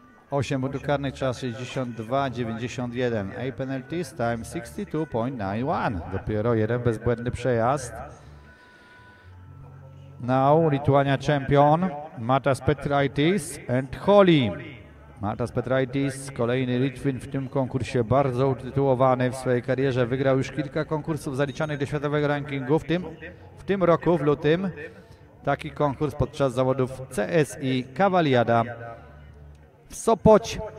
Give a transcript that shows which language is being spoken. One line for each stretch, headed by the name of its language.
Polish: 8 minut karnych, czas 62-91.
English: A penalties time 62.91.
Polish: Dopiero jeden bezbłędny przejazd.
English: Now Lithuania champion Matas Petraitis and Holly.
Polish: Matas Petraitis, kolejny Litwin w tym konkursie, bardzo utytułowany w swojej karierze. Wygrał już kilka konkursów zaliczanych do światowego rankingu. W tym roku, w lutym, taki konkurs podczas zawodów CSI Kawaliada w Sopoć.